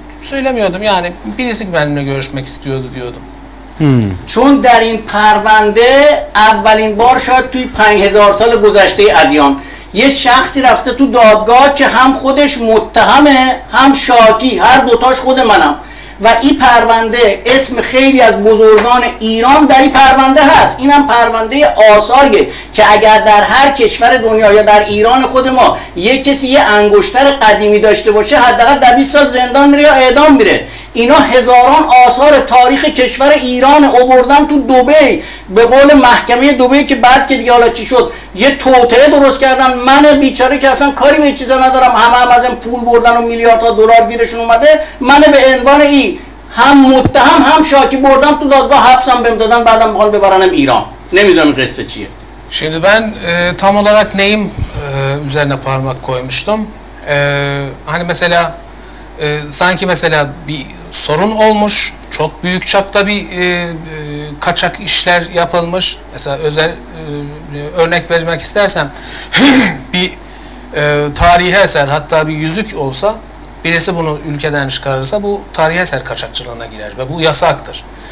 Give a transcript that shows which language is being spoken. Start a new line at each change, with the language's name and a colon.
Turkish: Söylemiyordum, yani birisi benimle görüşmek istiyordu diyordum.
Persian: چون در این پرونده اولین بار شاید توی 5000 سال گذشته ادیان یه شخصی رفته تو دادگاه که هم خودش متهمه هم شاکی، هر دوتاش خود منم و این پرونده اسم خیلی از بزرگان ایران در این پرونده هست. اینم پرونده آثاره که اگر در هر کشور دنیا یا در ایران خود ما یه کسی یه انگشتر قدیمی داشته باشه حداقل 20 سال زندان میره یا اعدام میره. اینا هزاران آثار تاریخ کشور ایران آوردن تو دبی به قول محکمه دبی که بعد که دیگه حالا چی شد یه توطئه درست کردن. من بیچاره که اصلا کاری به چیزا ندارم، همه هم از این پول بردن و میلیاردها دلار گیرشون اومده، من به عنوان این هم متهم هم شاکی بردن تو دادگاه، حبسم بهم دادن بعدم میخوان ببرنم ایران. نمیدونم قصه چیه. شنیدم من
Turkish: تام olarak neyim üzerine parmak koymuştum. Hani mesela sanki mesela bir sorun olmuş, çok büyük çapta bir kaçak işler yapılmış. Mesela özel örnek vermek istersem bir tarihi eser, hatta bir yüzük olsa, birisi bunu ülkeden çıkarırsa bu tarihi eser kaçakçılığına girer ve bu yasaktır.